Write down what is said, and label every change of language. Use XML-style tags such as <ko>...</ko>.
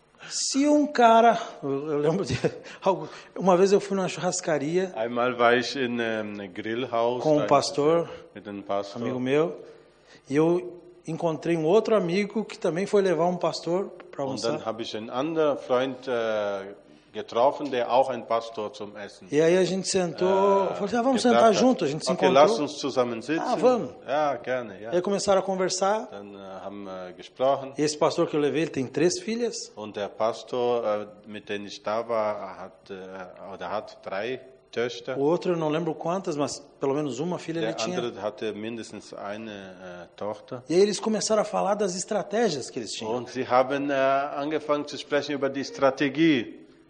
<pt>Se um cara, eu lembro de algo, uma vez eu fui numa churrascaria.</pt> <de>Einmal war ich in Grillhaus</de> <pt>com um pastor,</pt> <de>mit einem Pastor,</de> <pt>amigo meu, e eu encontrei um outro amigo que também foi levar um pastor para almoçar.</pt> <de>Und dann habe ich einen anderen Freund getroffen, der auch ein Pastor zum Essen.</de> <pt>E aí a gente sentou, falou, ah, vamos sentar junto, a gente se encontrou.</pt> <de>Okay, lass uns zusammen sitzen.</de> <pt>Ah, vamos.</pt> <de>Ja, gerne, ja.</de> <pt>E aí começaram a conversar.</pt> <de>Dann haben wir gesprochen.</de> <pt>E esse pastor que eu levei, ele tem três filhas.</pt> <de>Und der Pastor, mit dem ich da war, hat drei Töchter.</de> <pt>O outro, eu não lembro quantas, mas pelo menos uma filha</pt> <de>der</de> <pt>ele tinha.</pt> <de>Der andere hatte mindestens eine Tochter.</de> <pt>E aí eles começaram a falar das estratégias que eles tinham.</pt> <de>Und sie haben angefangen zu sprechen über die Strategie.</de>